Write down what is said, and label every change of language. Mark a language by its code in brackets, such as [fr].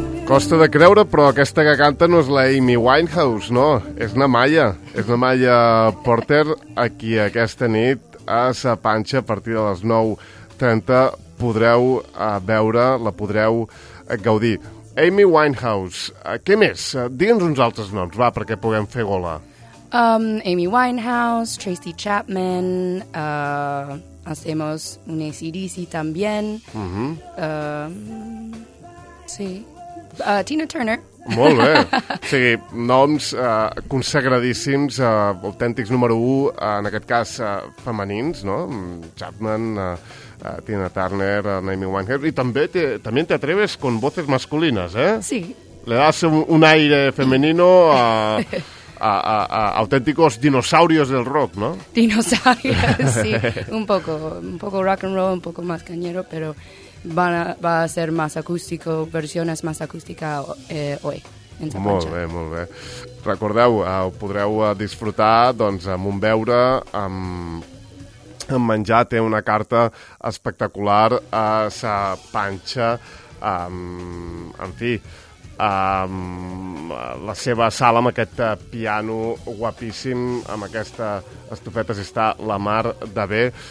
[ca] Costa de creure, però aquesta que canta no és la Amy Winehouse, no, és na Maya. És na Maya Porter, a qui aquesta nit a Sa Panxa, a partir de les 9:30, podreu veure, la podreu gaudir. Amy Winehouse, què més? Digue'ns uns altres noms, va, perquè puguem fer gola. [es] Amy Winehouse, Tracy Chapman, hacemos un ACDC también. Sí. Tina Turner. [ca] Molt bé. Sí, noms consagradíssims, autèntics número 1, en aquest cas femenins, no? [es] Chapman, Tina Turner, Amy Winehouse, [ca] i també [es] te atreves con voces masculines, eh? Sí. Le das un aire femenino a auténticos dinosaurios del rock, ¿no? Dinosaurios, sí. Un poco rock and roll, un poco más cañero, pero... va a ser más acústico, versiones más acústicas hoy. en Sapanxa. [ca] Molt bé, molt bé. Recordeu, ho podreu disfrutar doncs, amb un beure, amb menjar. Té una carta espectacular a Sapanxa. En fi, la seva sala amb aquest piano guapíssim, amb aquesta estufeta, si està la mar de bé.